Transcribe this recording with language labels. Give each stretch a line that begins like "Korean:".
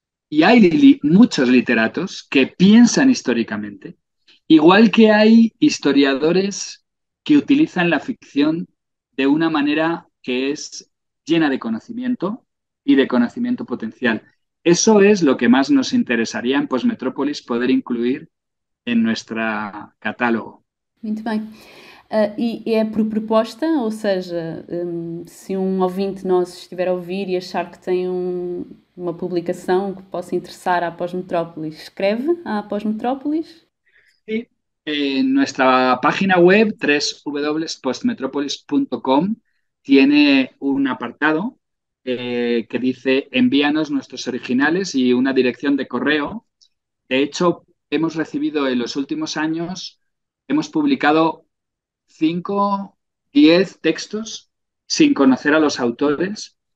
Spanish: Y hay muchos literatos que piensan históricamente, igual que hay historiadores que utilizan la ficción de una manera que es llena de conocimiento y de conocimiento potencial. Eso es lo que más nos interesaría en Postmetrópolis poder incluir en nuestro catálogo.
Portuguese: Muito bem. E é por proposta, ou seja, se um ouvinte nosso estiver a ouvir e achar que tem uma publicação que possa interessar à Pós-Metrópolis, escreve à Pós-Metrópolis? Sim.
Spanish: En nuestra página web, www.postmetropolis.com, tiene un apartado que dice envíanos nuestros originales y una dirección de correo. De hecho, hemos recibido en los últimos años, hemos publicado 5, 10 textos sin conocer a los autores.